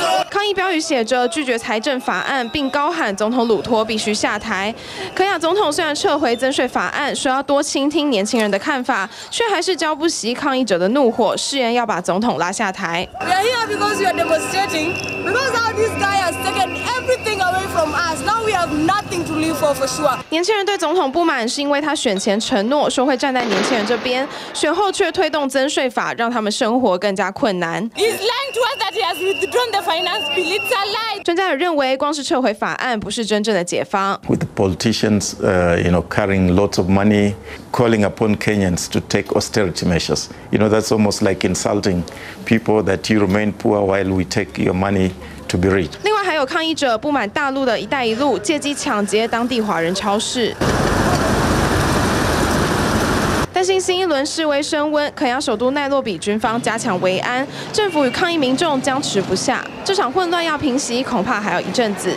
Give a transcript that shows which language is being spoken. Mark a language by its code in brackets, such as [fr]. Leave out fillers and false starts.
[zh] 抗议标语写着拒绝财政法案，并高喊总统鲁托必须下台。肯亚总统虽然撤回增税法案，说要多倾听年轻人的看法，却还是浇不熄抗议者的怒火，誓言要把总统拉下台。 [en] We are here because we are demonstrating, because all these guys have taken everything away from us. Now we have nothing to live for sure. [zh] 年轻人对总统不满，是因为他选前承诺说会站在年轻人这边，选后却推动增税法，让他们生活更加困难。 [en] He's lying to us that he has withdrawn the finance. [zh] 专家也认为，光是撤回法案不是真正的解放。 [en] With politicians, you know, carrying lots of money, calling upon Kenyans to take austerity measures, you know, that's almost like insulting people that you remain poor while we take your money to be rich. [zh] 另外，还有抗议者不满大陆的一带一路，借机抢劫当地华人超市。担心新一轮示威升温，肯亚首都奈洛比军方加强维安，政府与抗议民众僵持不下。这场混乱要平息，恐怕还要一阵子。